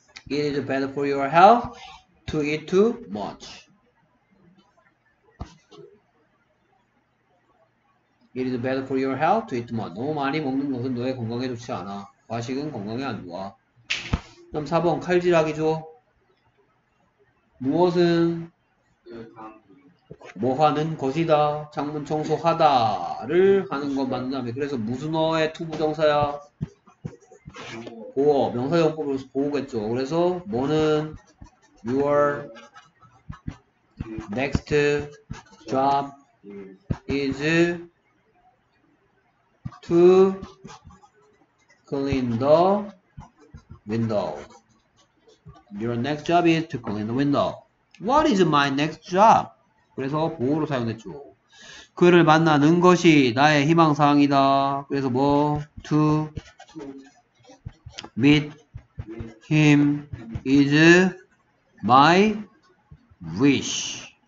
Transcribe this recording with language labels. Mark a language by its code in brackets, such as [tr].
[en] It is bad for your health to eat too much. It is bad for your health to eat too much. [ko] 너무 많이 먹는 것은 너의 건강에 좋지 않아. 과식은 건강에 안 좋아. 그럼 4번 칼질하기죠. 무엇은 뭐 하는 것이다. 창문 청소하다를 하는 것 맞는 다음에 그래서 무슨 어의 투부정사야? 보어. 명사용법으로서 보호겠죠. 그래서 뭐는 [en] your next job is to clean the window. Your next job is to clean the window. What is my next job? [ko] 그래서 보호로 사용했죠. 그를 만나는 것이 나의 희망사항이다. 그래서 뭐? To meet him is my wish.